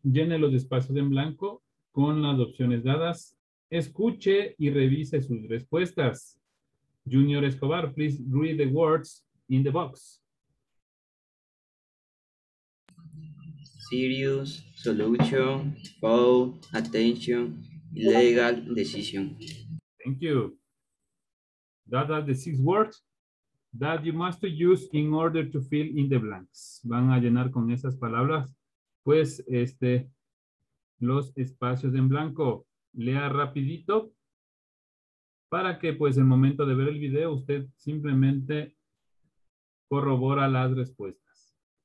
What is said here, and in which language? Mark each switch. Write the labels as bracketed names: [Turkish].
[Spanish] Llene los espacios en blanco con las opciones dadas. Escuche y revise sus respuestas. [English] Junior Escobar, please read the words in the box. Serious, solution, fault, attention, legal, decision. Thank you. That are the six words that you must use in order to fill in the blanks. [Spanish] Van a llenar con esas palabras, pues, los espacios en blanco. Lea rapidito para que, pues, el momento de ver el video, usted simplemente corrobora las respuestas.